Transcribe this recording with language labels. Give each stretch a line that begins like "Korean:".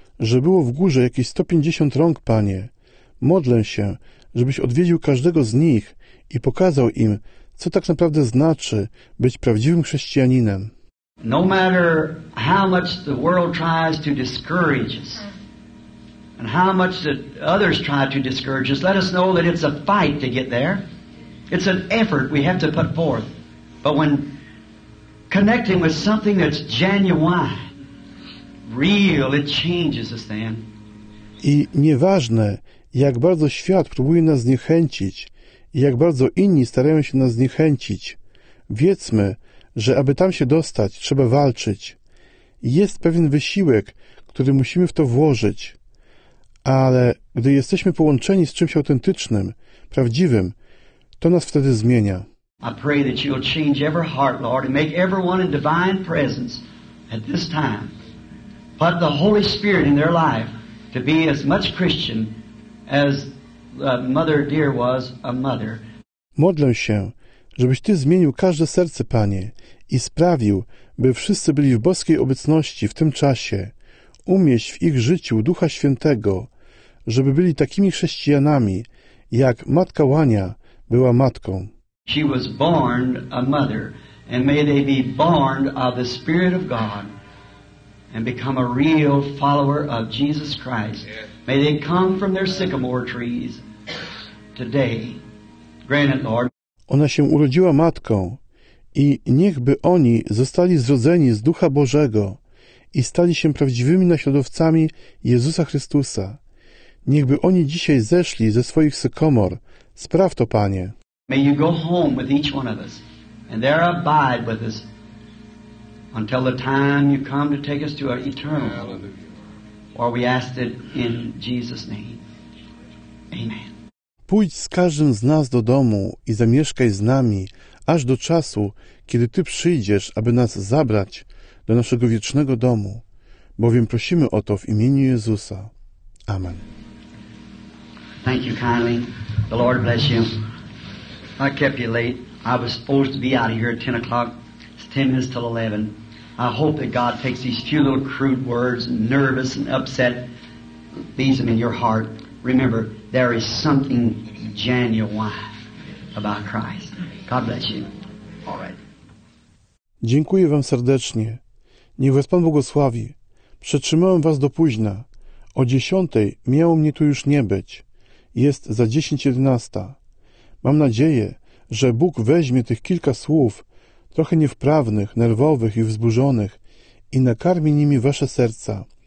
Polish: że było w górze jakieś 150 rąk, Panie. Modlę się, żebyś odwiedził każdego z nich i pokazał im, co tak naprawdę znaczy być prawdziwym chrześcijaninem.
English: No matter how much the world tries to discourage us, and how much that others try to discourage us, let us know that it's a fight to get there. It's an effort we have to put forth. But when connecting with something that's genuine, real, it changes us then.
Polish: I nieważne, jak bardzo świat próbuje nas zniechęcić i jak bardzo inni starają się nas zniechęcić, wiedzmy, że aby tam się dostać, trzeba walczyć. Jest pewien wysiłek, który musimy w to włożyć. Ale gdy jesteśmy połączeni z czymś autentycznym, prawdziwym, to nas wtedy zmienia.
English: I pray that you'll change every heart, Lord, and make everyone in divine presence at this time. Put the Holy Spirit in their life to be as much Christian as the mother dear was a mother.
Polish: Modlę się, żebyś Ty zmienił każde serce, Panie, i sprawił, by wszyscy byli w boskiej obecności w tym czasie. Umieść w ich życiu Ducha Świętego, żeby byli takimi chrześcijanami, jak matka Łania była matką.
English: She was born a mother, and may they be born of the Spirit of God and become a real follower of Jesus Christ. May they come from their sycamore trees today. Grant it, Lord.
Polish: Ona się urodziła matką i niechby oni zostali zrodzeni z Ducha Bożego i stali się prawdziwymi naśladowcami Jezusa Chrystusa. Niechby oni dzisiaj zeszli ze swoich sykomor. Spraw to, Panie.
English: May you go home with each one of us and there abide with us until the time you come to take us to our eternal. Hallelujah. Or we ask it in Jesus' name. Amen.
Polish: Pójdź z każdym z nas do domu i zamieszkaj z nami aż do czasu, kiedy Ty przyjdziesz, aby nas zabrać do naszego wiecznego domu, bowiem prosimy o to w imieniu Jezusa. Amen.
English: Thank you kindly. The Lord bless you. I kept you late. I was supposed to be out of here at 10 o'clock. It's 10 minutes till 11. I hope that God takes these few little crude words, nervous and upset, leaves them in your heart. Remember, there is something genuine about Christ. God bless you. All right.
Polish: Dziękuję Wam serdecznie. Niech Was Pan błogosławi. Przetrzymałem Was do późna. O 10:00 miało mnie tu już nie być. Jest za 10:11. Mam nadzieję, że Bóg weźmie tych kilka słów, trochę niewprawnych, nerwowych i wzburzonych, i nakarmi nimi wasze serca.